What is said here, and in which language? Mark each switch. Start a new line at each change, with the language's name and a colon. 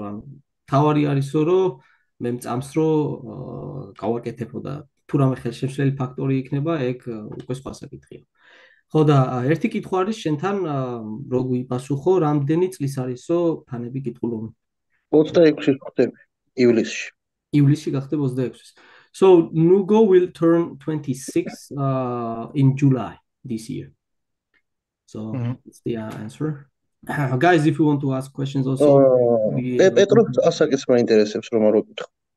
Georgian: ანუ მთავარი არისო, რომ მე მწამს, რომ გავაკეთებო და თუ რამე ხელშემშლელი ფაქტორი იქნება, ეგ უკვე სხვა საკითხია. ხო და ერთი კითხვა არის შენთან, რო გვიპასუხო, რამდენი წლის არისო ფანები კითხულობენ? 26 ხდება ივლისში. ივლისში გახდება 26.
English: So Nugo will turn 26 in July this year. So that's the answer. Guys, if you want to ask questions also, we
Georgian: Петრო ასაკის მაინტერესებს რომ არ უკითხო.